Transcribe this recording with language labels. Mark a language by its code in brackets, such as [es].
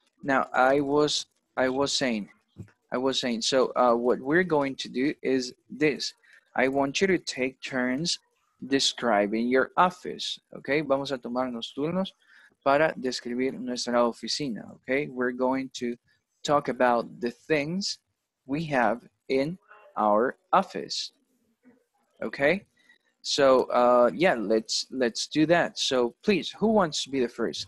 [en] Now, I was saying, so what we're going to do is this. I want you to take turns describing your office, okay? [es] Vamos a tomar los turnos para describir nuestra oficina, okay? [en] We're going to talk about the things we have in our office, okay? So, yeah, let's do that. So, please, who wants to be the first?